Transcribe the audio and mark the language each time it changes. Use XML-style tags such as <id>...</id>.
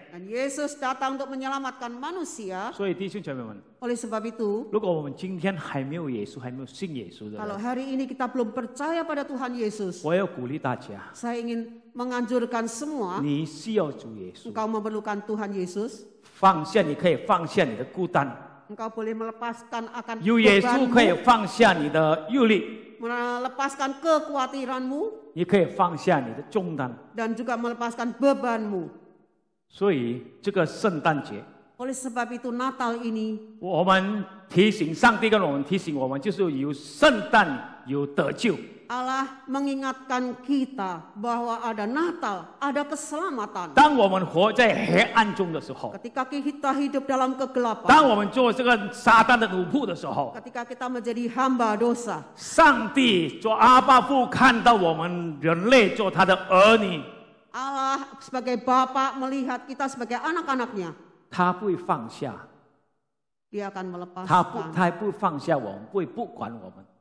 <id>Dan Yesus datang untuk menyelamatkan manusia.</id> <zh>所以弟兄姐妹们,</zh> <id>Oleh sebab itu,</id> <zh>如果我们今天还没有耶稣, 还没有信耶稣的人,</zh> <id>kalau hari ini kita belum percaya pada Tuhan Yesus,</id> <zh>我要鼓励大家, 我要鼓励大家,</zh> <id>saya ingin menganjurkan semua,</id> <zh>你需要主耶稣,</zh> <id>engkau memerlukan Tuhan Yesus,</id> <zh>放下, 你可以放下你的孤单,</zh> <id>engkau boleh melepaskan akan</id> <zh>有耶稣可以放下你的忧虑,</zh> <id>melepaskan kekhawatiranmu,</id> <zh>你可以放下你的重担,</zh> <id>dan juga melepaskan bebanmu.</id> <zh>所以这个圣诞节,</zh> <id>Oleh sebab itu Natal ini,</id> <zh>我们提醒上帝跟我们提醒我们, 就是有圣诞有得救。</zh> <id>Allah mengingatkan kita bahwa ada Natal, ada keselamatan.</id> <zh>当我们活在黑暗中的时候,</zh> <id>ketika kita hidup dalam kegelapan,</id> <zh>当我们做这个撒旦的奴仆的时候,</zh> <id>ketika kita menjadi hamba dosa,</id> <zh>上帝做阿爸父看到我们人类做他的儿女,</zh> <id>Allah sebagai Bapa melihat kita sebagai anak-anaknya.</id> <zh>他不会放下,</zh> <id>dia akan melepaskan.</id> <zh>他不会放下我们，不会不管我们。</zh>